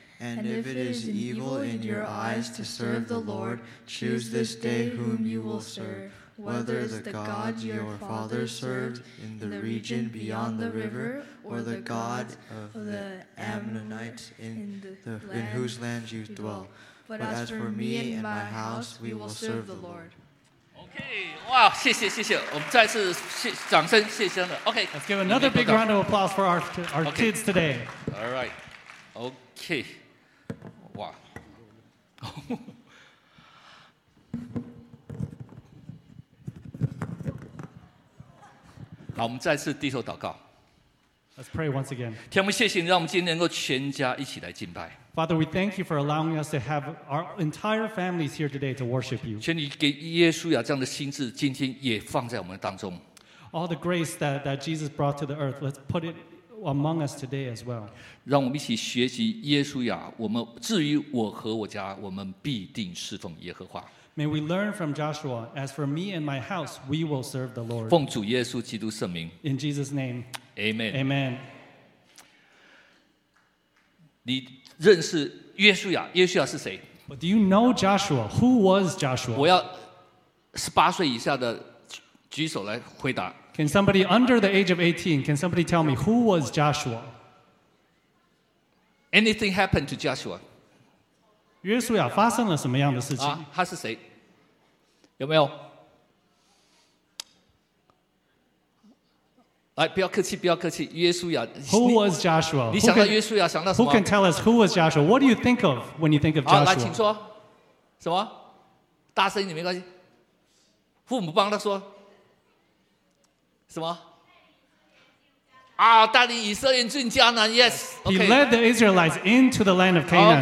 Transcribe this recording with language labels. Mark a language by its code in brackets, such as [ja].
[en] And if it is evil in your eyes to serve the Lord, choose this day whom you will serve, whether the gods your fathers served in the region beyond the river, or the god of the Ammonites in whose land you dwell. But as for me and my house, we will serve the Lord. Okay, wow, [zh] 谢谢，我们再次掌声，谢谢了。 [en] Okay, let's give another big round of applause for our kids today. All right, okay, wow. [zh] 好，我们再次低头祷告。 [en] Let's pray once again. [zh] 天父，谢谢你让我们今天能够全家一起来敬拜。 [en] Father, we thank you for allowing us to have our entire families here today to worship you. [zh] 请你给耶稣亚这样的心智，今天也放在我们当中。 [en] All the grace that Jesus brought to the earth, let's put it among us today as well. [zh] 让我们一起学习耶稣亚。我们至于我和我家，我们必定侍奉耶和华。 [en] May we learn from Joshua. As for me and my house, we will serve the Lord. [zh] 奉主耶稣基督圣名。 [en] In Jesus' name. Amen. Amen. [zh] 你认识约书亚？约书亚是谁 [en] ？But do you know Joshua? Who was Joshua? [zh] 我要18岁以下的举手来回答。 [en] Can somebody under the age of 18? Can somebody tell me who was Joshua? Anything happened to Joshua? [zh] 约书亚发生了什么样的事情？他是谁？有没有？来，不要客气，不要客气。约书亚 [en] ，Who was Joshua？ [zh] 你想到约书亚想到什么 [en] ？Who can tell us who was Joshua？ What do you think of when you think of Joshua？ [zh] 好，来，请说。什么？大声一点没关系。父母帮他说。什么？带领以色列人进迦南。 [en] Yes。 He led the Israelites into the land of Canaan。